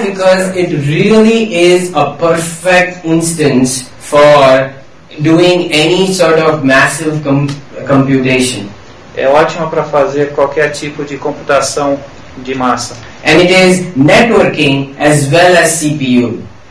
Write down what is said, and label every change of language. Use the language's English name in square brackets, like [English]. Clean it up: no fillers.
[English] Because it really is a perfect instance for doing any sort of massive computation. [Portuguese] É ótima para fazer qualquer tipo de computação de massa. [English] And it is networking as well as CPU.